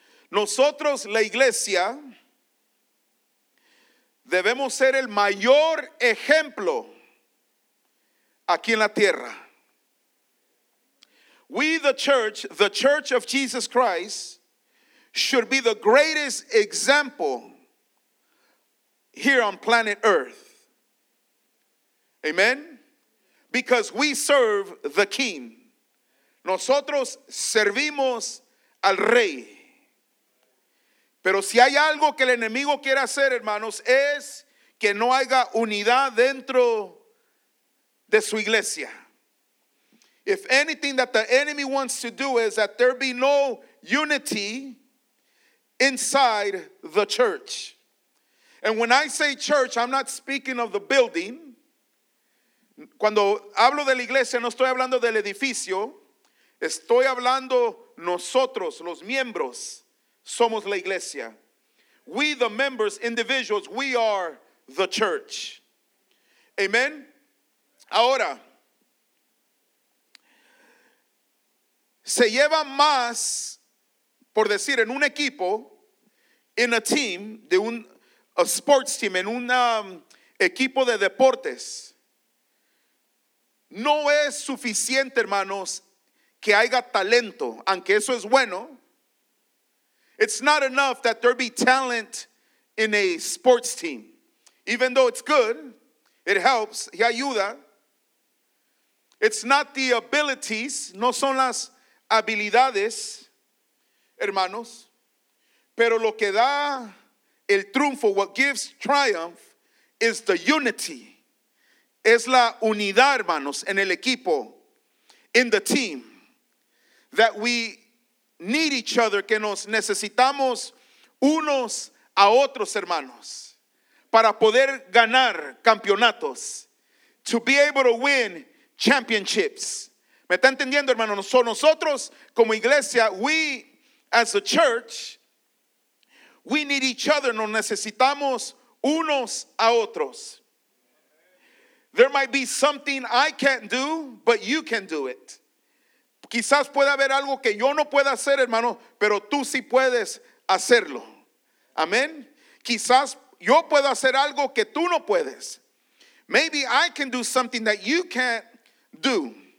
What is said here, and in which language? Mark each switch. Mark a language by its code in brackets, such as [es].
[es] Nosotros, la iglesia, debemos ser el mayor ejemplo aquí en la tierra. [en] We, the church of Jesus Christ, should be the greatest example here on planet Earth. Amen? Because we serve the King. [es] Nosotros servimos al Rey. Pero si hay algo que el enemigo quiere hacer, hermanos, es que no haya unidad dentro de su iglesia. [en] If anything that the enemy wants to do is that there be no unity inside the church. And when I say church, I'm not speaking of the building. [es] Cuando hablo de la iglesia, no estoy hablando del edificio. Estoy hablando nosotros, los miembros. Somos la iglesia. [en] We, the members, individuals, we are the church. Amen. [es] Ahora, se lleva más, por decir, en un equipo, [en] in a team, [es] de un [en] a sports team, [es] en un equipo de deportes. No es suficiente, hermanos, que haya talento, aunque eso es bueno. [en] It's not enough that there be talent in a sports team. Even though it's good, it helps, [es] y ayuda. [en] It's not the abilities, [es] no son las habilidades, hermanos. Pero lo que da el triunfo, [en] what gives triumph, is the unity. [es] Es la unidad, hermanos, en el equipo, [en] in the team. That we need each other, [es] que nos necesitamos unos a otros, hermanos, para poder ganar campeonatos, [en] to be able to win championships. [es] ¿Me está entendiendo, hermanos? Nosotros como iglesia, [en] we as a church, we need each other, [es] nos necesitamos unos a otros. [en] There might be something I can't do, but you can do it. [es] Quizás pueda haber algo que yo no pueda hacer, hermano, pero tú sí puedes hacerlo. Amén. Quizás yo puedo hacer algo que tú no puedes. [en] Maybe I can do something that you can't do.